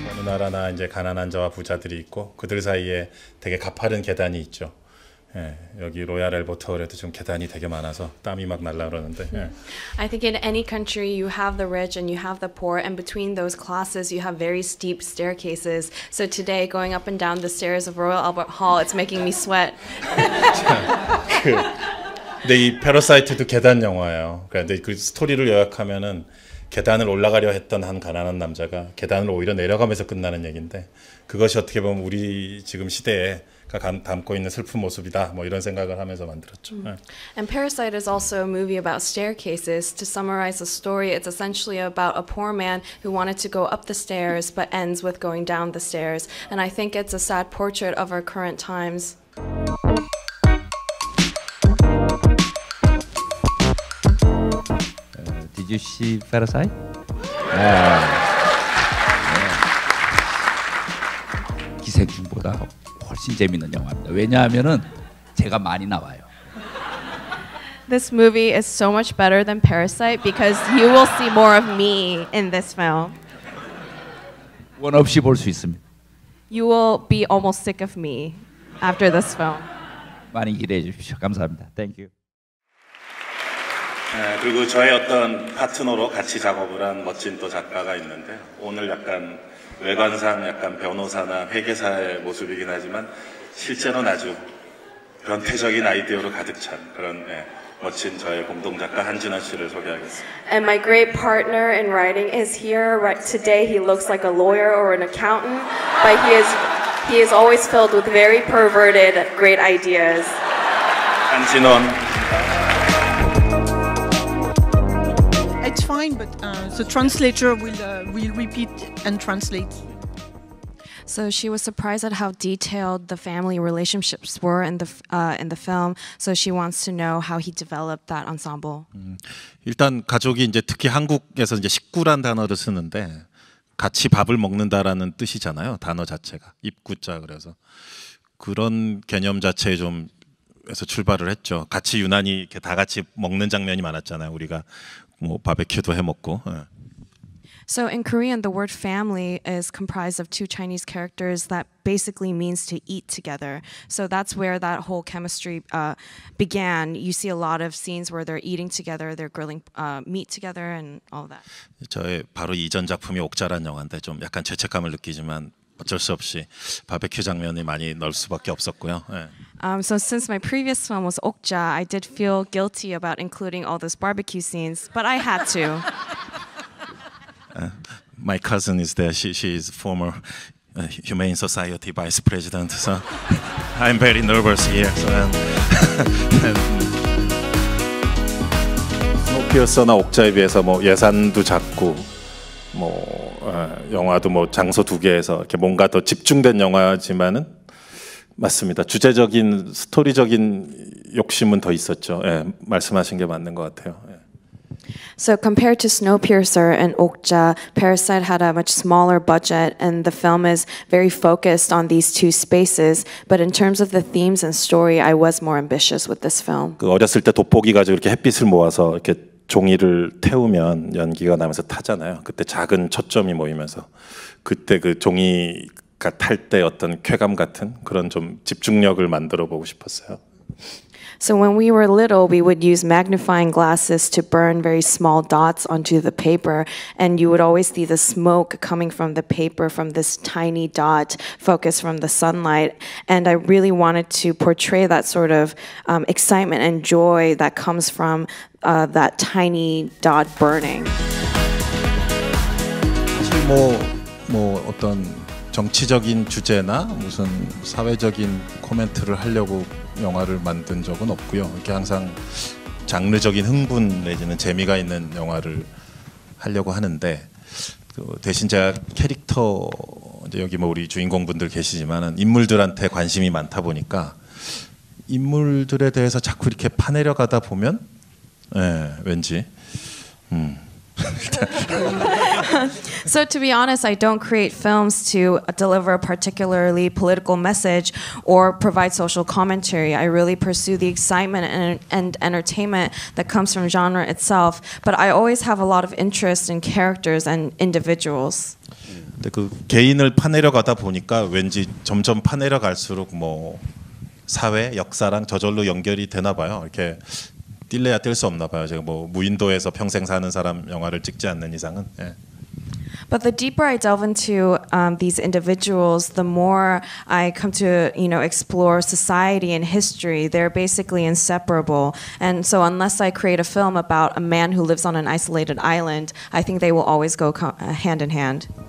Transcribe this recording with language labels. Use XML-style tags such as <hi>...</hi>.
<ko>나라나 이제 가난한 자와 부자들이 있고 그들 사이에 되게 가파른 계단이 있죠. 예, 여기 로얄 엘버트홀에도 좀 계단이 되게 많아서 땀이 막 날라 그러는데. 예.</ko> <en>I think in any country you have the rich and you have the poor, and between those classes you have very steep staircases. So today going up and down the stairs of Royal Albert Hall, it's making me sweat.</en> <ko>근데 이 패러사이트도 계단 영화예요. 그런데 그 스토리를 요약하면은. 계단을 올라가려 했던 한 가난한 남자가 계단을 오히려 내려가면서 끝나는 얘긴데 그것이 어떻게 보면 우리 지금 시대가 담고 있는 슬픈 모습이다. 뭐 이런 생각을 하면서 만들었죠.</ko> <en>And Parasite is also a movie about staircases. To summarize the story, it's essentially about a poor man who wanted to go up the stairs but ends with going down the stairs. And I think it's a sad portrait of our current times.</en> <ko>유시 페르사이? 네. 기생충보다 훨씬 재밌는 영화입니다. 왜냐하면은 제가 많이 나와요.</ko> <en>This movie is so much better than Parasite because you will see more of me in this film.</en> <ko>원 없이 볼 수 있습니다.</ko> <en>You will be almost sick of me after this film.</en> <ko>많이 기대해 주십시오. 감사합니다.</ko> <en>Thank you.</en> <ko>네, 그리고 저의 어떤 파트너로 같이 작업을 한 멋진 또 작가가 있는데 오늘 약간 외관상 약간 변호사나 회계사의 모습이긴 하지만 실제로는 아주 변태적인 아이디어로 가득 찬 그런 네, 멋진 저의 공동 작가 한진아 씨를 소개하겠습니다.</ko> <en>And my great partner in writing is here right today. He looks like a lawyer or an accountant, but he is always filled with very perverted great ideas.</en> <ko>한진원.</ko> <en>It's fine, but the translator will repeat and translate. So she was surprised at how detailed the family relationships were in the film. So she wants to know how he developed that ensemble.</en> <ko>일단 가족이 이제 특히 한국에서 이제 식구란 단어를 쓰는데 같이 밥을 먹는다라는 뜻이잖아요. 단어 자체가 입구자 그래서 그런 개념 자체에 좀 해서 출발을 했죠. 같이 유난히 이렇게 다 같이 먹는 장면이 많았잖아요. 우리가 뭐 바베큐도 해 먹고.</ko> <en>So in Korean, the word family is comprised of two Chinese characters that basically means to eat together. So that's where that whole chemistry began. You see a lot of scenes where they're eating together, they're grilling meat together, and all that.</en> <ko>저의 바로 이전 작품이 옥자라는 영화인데 좀 약간 죄책감을 느끼지만 어쩔 수 없이 바베큐 장면이 많이 넣을 수밖에 없었고요.</ko> <en>So since my previous film was Okja, I did feel guilty about including all those barbecue scenes, but I had to. My cousin is there. She is former Humane Society vice president. So I'm very nervous here. So</en> <ko>Snowpiercer나 Okja에 비해서 뭐 예산도 작고 뭐 영화도 뭐 장소 두 개에서 이렇게 뭔가 더 집중된 영화지만은. 맞습니다. 주제적인 스토리적인 욕심은 더 있었죠. 예, 말씀하신 게 맞는 것 같아요. 예.</ko> <en>So compared to Snowpiercer and Okja, Parasite had a much smaller budget, and the film is very focused on these two spaces. But in terms of the themes and story, I was more ambitious with this film.</en> <ko>그 어렸을 때 돋보기 가지고 이렇게 햇빛을 모아서 이렇게 종이를 태우면 연기가 나면서 타잖아요. 그때 작은 초점이 모이면서 그때 그 종이 탈 때 어떤 쾌감 같은 그런 좀 집중력을 만들어 보고 싶었어요.</ko> <en>So when we were little, we would use magnifying glasses to burn very small dots onto the paper, and you would always see the smoke coming from the paper from this tiny dot focused from the sunlight. And I really wanted to portray that sort of excitement and joy that comes from that tiny dot burning.</en> <ko>사실 뭐 어떤 정치적인 주제나 무슨 사회적인 코멘트를 하려고 영화를 만든 적은 없고요. 이렇게 항상 장르적인 흥분 내지는 재미가 있는 영화를 하려고 하는데 그 대신 제가 캐릭터 이제 여기 뭐 우리 주인공분들 계시지만은 인물들한테 관심이 많다 보니까 인물들에 대해서 자꾸 이렇게 파내려 가다 보면 예, 왠지</ko> <en>So to be honest, I don't create films to deliver a particularly political message or provide social commentary. I really pursue the excitement and entertainment that comes from genre itself. But I always have a lot of interest in characters and individuals.</en> <ko>근데 그 개인을 파내려 가다 보니까 왠지 점점 파내려 갈수록 뭐 사회 역사랑 저절로 연결이 되나 봐요. 이렇게. 뛸래야 뛸 수 없나 봐요. 제가 뭐 무인도에서 평생 사는 사람 영화를 찍지 않는 이상은. 예.</ko> <en>But the deeper I delve into these individuals, the more I come to, you know, explore society and history. They're basically inseparable. And so unless I create a film about a man who lives on an isolated island, I think they will always go hand in hand.</en>